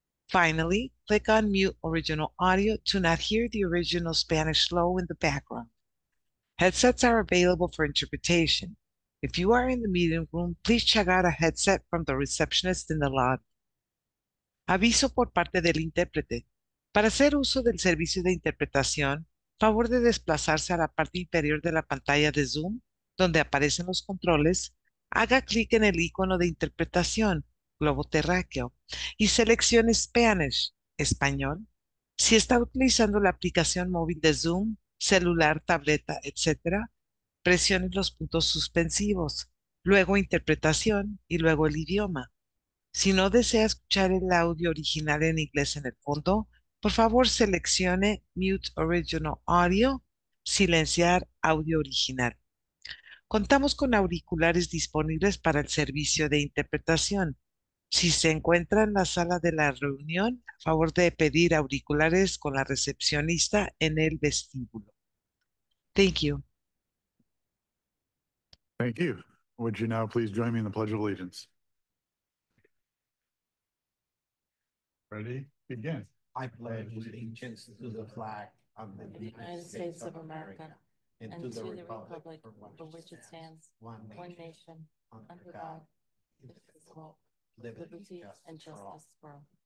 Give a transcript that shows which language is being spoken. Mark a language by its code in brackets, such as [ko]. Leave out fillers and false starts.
[en] Finally, click on mute original audio to not hear the original Spanish slow in the background. Headsets are available for interpretation. If you are in the meeting room, please check out a headset from the receptionist in the lobby. [es] Aviso por parte del intérprete. Para hacer uso del servicio de interpretación, favor de desplazarse a la parte inferior de la pantalla de Zoom, donde aparecen los controles, haga clic en el icono de interpretación, globo terráqueo, y seleccione Spanish, español. Si está utilizando la aplicación móvil de Zoom, celular, tableta, etc., presione los puntos suspensivos, luego interpretación y luego el idioma. Si no desea escuchar el audio original en inglés en el fondo, por favor seleccione [en] Mute Original Audio, [es] silenciar audio original. Contamos con auriculares disponibles para el servicio de interpretación. Si se encuentra en la sala de la reunión, a favor de pedir auriculares con la recepcionista en el vestíbulo. [en] Thank you. Thank you. Would you now please join me in the Pledge of Allegiance? Ready? Begin. I pledge allegiance to the flag of the United States of America and to the Republic for which it stands, one nation, under God, indivisible, liberty, and justice for all.